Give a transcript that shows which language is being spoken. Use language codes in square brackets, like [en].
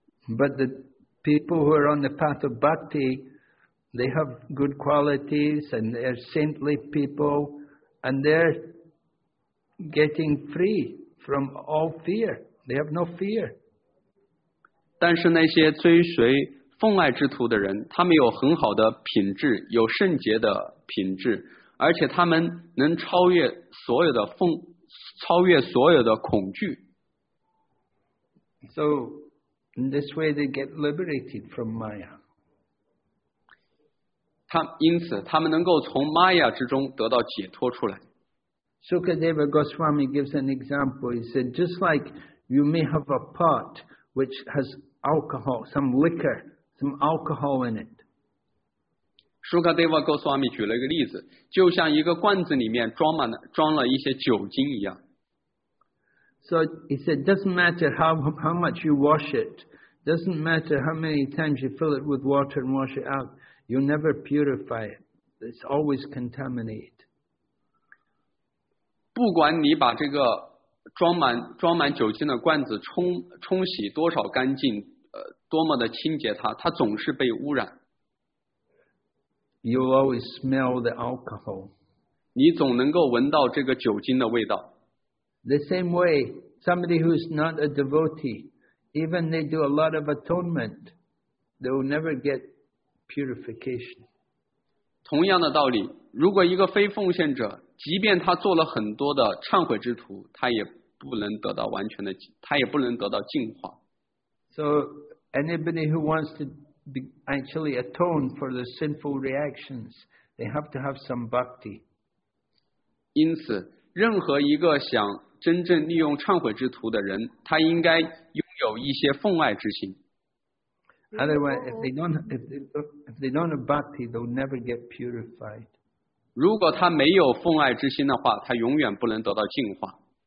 [en] But the people who are on the path of bhakti, they have good qualities and they are saintly people and they're getting free from all fear. They have no fear. [zh] 但是那些追随奉爱之徒的人，他们有很好的品质，有圣洁的品质，而且他们能超越所有的恐惧。 [en] So,In this way, they get liberated from Maya. [zh] 因此他们能够从 Maya 之中得到解脱出来。 [en] Sukadeva Goswami gives an example. He said, just like you may have a pot which has alcohol, some liquor, some alcohol in it. [zh] Sukadeva Goswami 举了一个例子，就像一个罐子里面装了一些酒精一样。 [en] So he said, doesn't matter how much you wash it, doesn't matter how many times you fill it with water and wash it out, you never purify it. It's always contaminated. [zh] 不管你把这个装满酒精的罐子冲洗多少干净，多么的清洁它总是被污染。 [en] You'll always smell the alcohol. [zh] 你总能够闻到这个酒精的味道。 [en] The same way, somebody who's not a devotee, even they do a lot of atonement, they will never get purification. [zh] 同样的道理，如果一个非奉献者，即便他做了很多的忏悔之徒，他也不能得到净化。 [en] So anybody who wants to actually atone for the sinful reactions, they have to have some bhakti. [zh] 因此，任何一个想真正利用忏悔之徒的人，他应该拥有一些奉爱之心。 [en] Otherwise, if they don't have bhakti, they'll never get purified. [zh] 如果他没有奉爱之心的话，他永远不能得到净化。